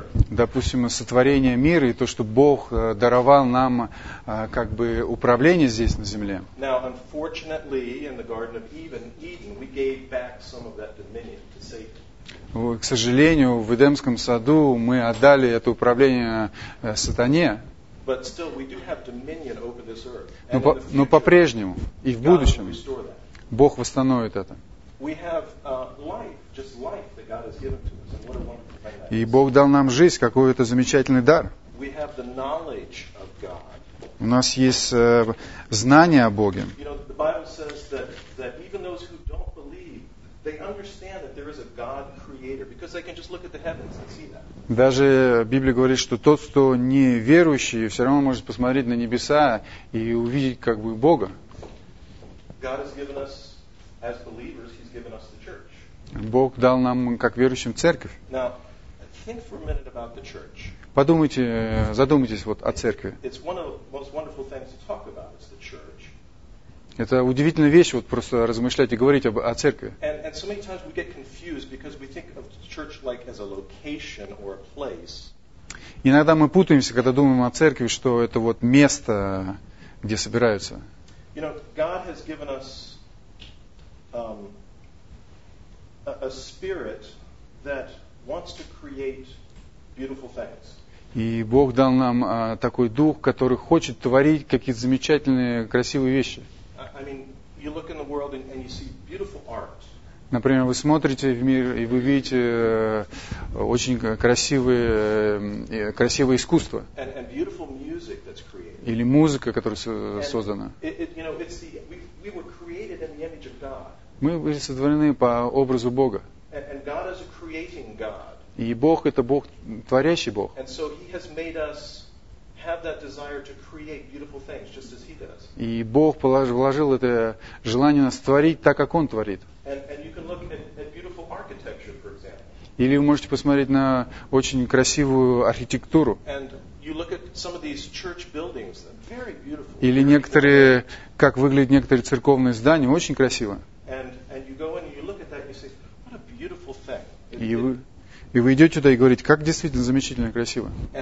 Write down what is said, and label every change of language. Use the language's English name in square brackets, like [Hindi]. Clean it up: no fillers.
[Russian] Допустим, сотворение мира и то, что Бог даровал нам как бы управление здесь на земле. [English] Now, unfortunately, in the Garden of Eden, we gave back some of that dominion to Satan. [Russian] К сожалению, в Эдемском саду мы отдали это управление сатане. [English] But still, we do have dominion over this earth. [Russian] Но по-прежнему и в будущем Бог восстановит это. [English] We have life, just life that God has given to us. [Russian] И Бог дал нам жизнь, какой это замечательный дар. [English] We have the knowledge of God. [Russian] У нас есть знание о Боге. [English] You know, the Bible says that even those who don't believe, they understand that there is a God creator, because they can just look at the heavens and see that. [Russian] Даже Библия говорит, что тот, кто не верующий, все равно может посмотреть на небеса и увидеть как бы Бога. [English] God has given us, as believers, He's given us the church. [Russian] Бог дал нам, как верующим, церковь. [English] Now, think for a minute about the church. [Russian] Подумайте, задумайтесь вот о церкви. [English] It's one of the most wonderful things to talk about, is the church. [Russian] Это удивительная вещь, вот просто размышлять и говорить о церкви. [English] And so many times we get confused because we think of the church like as a location or a place. [Russian] Иногда мы путаемся, когда думаем о церкви, что это вот место, где собираются. [English] You know, God has given us a spirit that wants to create beautiful things. [Russian] И Бог дал нам такой дух, который хочет творить какие-то замечательные, красивые вещи. [English] I mean, you look in the world and you see beautiful art. [Russian] Например, вы смотрите в мир и вы видите очень красивое искусство. [English] And beautiful music that's created. [Russian] Или музыка, которая создана. [English] We were created in the image of God. [Russian] Мы были сотворены по образу Бога. [English] And God is a creating God. [Russian] И Бог – это Бог, творящий Бог. [English] And so He has made us have that desire to create beautiful things, just as He does. [Russian] И Бог вложил это желание нас творить так, как Он творит. [English] And you can look at beautiful architecture, for example. [Russian] Или вы можете посмотреть на очень красивую архитектуру. [English] And you look at some of these church buildings, very beautiful. [Russian] Или некоторые, как выглядят некоторые церковные здания, очень красиво. [English] And you go in and you look at that and you say, what a beautiful thing. [Russian] И вы идете туда и говорите, как действительно замечательно и красиво.